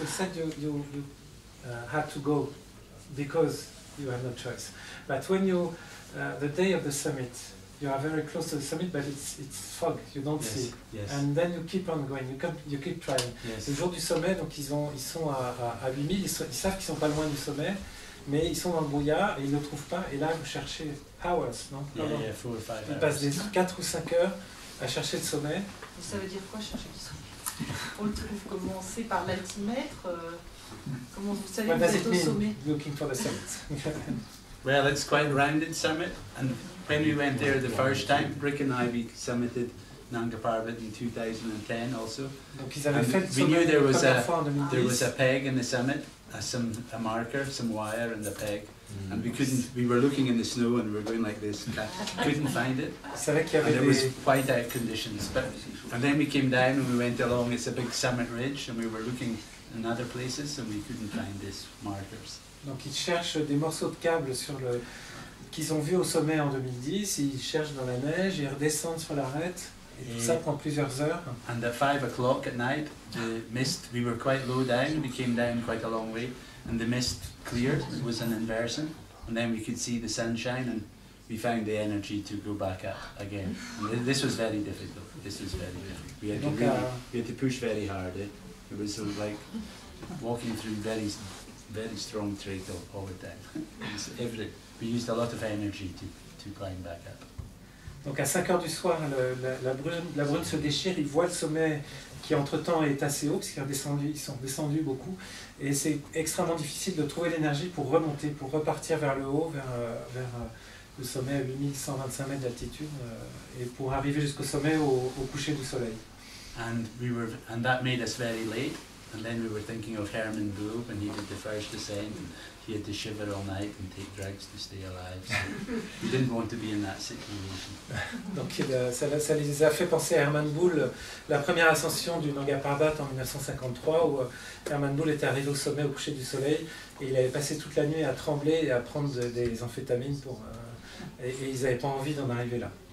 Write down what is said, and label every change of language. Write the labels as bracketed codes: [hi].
[en] You said you had to go because you had no choice. But when you, the day of the summit, you are very close to the summit, but it's fog, you don't see. Yes. And then you keep on going, you keep trying. Yes. [fr] Le jour du sommet, donc ils sont à 8000, ils savent qu'ils sont pas loin du sommet, mais ils sont dans le brouillard et ils ne le trouvent pas. Et là, vous cherchez [en] hours, [fr] non? [en] Yeah, [fr] 4 ou 5 heures. 4 ou 5 heures à chercher le sommet. Ça veut dire quoi, chercher le sommet? On le trouve comment? C'est par l'altimètre? Comment vous savez que vous êtes au sommet? [en] Looking for the summit. Well, it's quite a rounded summit, and when we went there the first time, Rick and I, we summited Nanga Parbat in 2010 also. [fr] Donc ils avaient fait [en] we knew there was a peg in the summit, a marker, some wire and a peg, and we were looking in the snow and we were going like this, couldn't find it, and it was quite out conditions. And then we came down and we went along, it's a big summit ridge, and we were looking in other places and we couldn't find these markers. [fr] Donc ils cherchent des morceaux de câble sur le qu'ils ont vu au sommet en 2010. Ils cherchent dans la neige, ils redescendent sur l'arête. Et ça prend plusieurs heures. [en] And at 5 o'clock at night, the mist. We were quite low down. We came down quite a long way, and the mist cleared. It was an inversion, and then we could see the sunshine, and we found the energy to go back up again. And this was very difficult. This was very difficult. We had to push very hard. It was sort of like walking through very very strong trail all the time. We used a lot of energy to climb back up. [fr] Donc à 5 heures du soir, la brume se déchire, ils voient le sommet qui entre-temps est assez haut, parce qu'ils sont descendus beaucoup, et c'est extrêmement difficile de trouver l'énergie pour remonter, pour repartir vers le haut, vers le sommet à 8125 mètres d'altitude, et pour arriver jusqu'au sommet au coucher du soleil. [en] And that made us very late. And then we were thinking of Herman Boob when he did the first descent, and he had to shiver all night and take drugs to stay alive. So we didn't want to be in that situation. [fr] Donc ça les a fait penser à Herman Boob, la première ascension du Nanga Parbat en 1953, où Herman Boob était arrivé au sommet au coucher du soleil et il avait passé toute la nuit à trembler et à prendre des amphétamines et ils n'avaient pas envie d'en arriver là.